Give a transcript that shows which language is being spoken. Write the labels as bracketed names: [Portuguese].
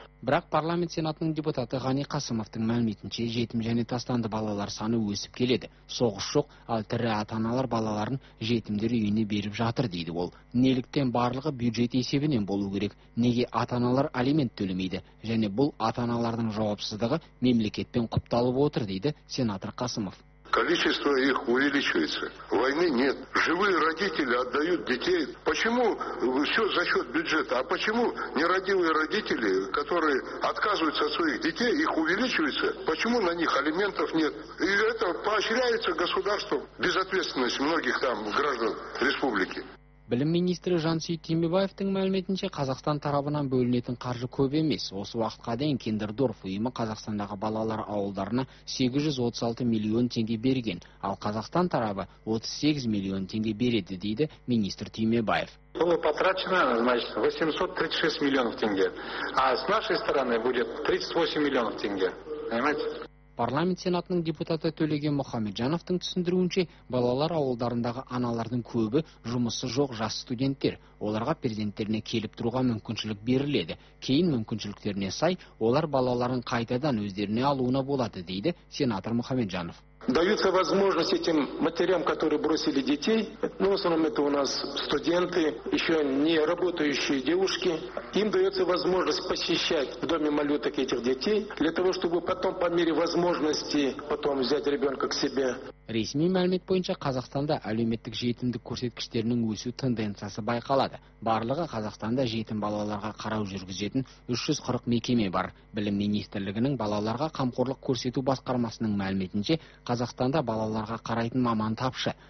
[Kazakh] Бірақ парламент сенатының депутаты Ғани Қасымовтың мәліметінше жетім және тастанды балалар саны өсіп келеді. Соғыс жоқ, ал тірі ата-аналар балаларын жетімдер үйіне беріп жатыр дейді ол. Неліктен барлығы бюджет есебінен болу керек? Неге ата-аналар алимент төлемейді? Және бұл ата-аналардың жауапсыздығы мемлекетпен құпталып отыр дейді сенатор Қасымов. [Russian] Количество их увеличивается. Войны нет. Живые родители отдают детей. Почему все за счет бюджета? А почему нерадивые родители, которые отказываются от своих детей, их увеличивается? Почему на них алиментов нет? И это поощряется государством. Безответственность многих там граждан республики. [Kazakh] Білім министрі Жансүйіт Түймебаевтың мәліметінше Қазақстан тарапынан бөлінетін қаржы көп емес. Осы уақытқа дейін Kinderdorf ұйымы Қазақстандағы балалар ауылдарына 836 миллион теңге берген, ал Қазақстан тарабы 38 миллион теңге береді дейді министр Түймебаев. [Russian] Было потрачено, значит, 836 миллионов теңге, а с нашей стороны будет 38 миллионов теңге. Понимаете? [Kazakh] Парламент сенатының депутаты Төлеген Мұхамеджановтың түсіндіруінше, балалар ауылдарындағы аналардың көбі жұмысы жоқ жас студенттер. Оларға перзенттеріне келіп тұруға мүмкіншілік беріледі. Кейін мүмкіншіліктеріне сай, олар балаларын қайтадан өздеріне алуына болады, дейді сенатор Мұхамеджанов. [Russian] Даются возможность этим матерям, которые бросили детей, ну, в основном это у нас студенты, еще не работающие девушки, им дается возможность посещать в доме малюток этих детей, для того, чтобы потом по мере возможности потом взять ребенка к себе. [Kazakh] Ресми мәлімет бойынша Қазақстанда әлеуметтік жетімдік көрсеткіштерінің өсу тенденциясы байқалады. Барлығы Қазақстанда жетім балаларға қарау жүргізетін 340 мекеме бар. Білім министрлігінің балаларға қамқорлық көрсету басқармасының мәліметінше, Қазақстанда балаларға қарайтын маман тапшы.